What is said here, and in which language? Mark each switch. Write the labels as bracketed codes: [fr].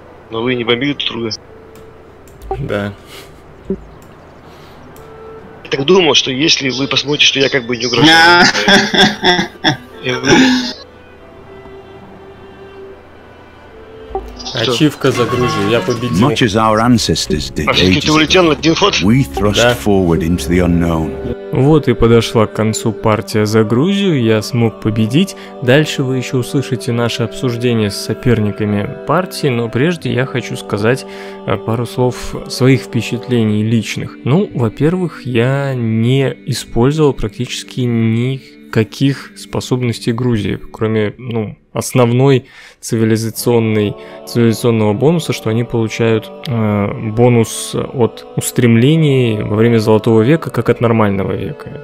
[ru] Но вы не бомбили друг друга. Да. Я так думал, что если вы посмотрите, что я как бы не угрожаю. Ачивка загружена, я победил. [en] Much as our ancestors did. [ru] А ты улетел на один ход? [en] We thrust forward into the unknown. [ru] Вот и подошла к концу партия за Грузию, я смог победить. Дальше вы еще услышите наше обсуждение с соперниками партии, но прежде я хочу сказать пару слов своих впечатлений личных. Ну, во-первых, я не использовал практически никаких способностей Грузии, кроме, ну, основной цивилизационного бонуса, что они получают бонус от устремлений во время Золотого века, как от нормального века.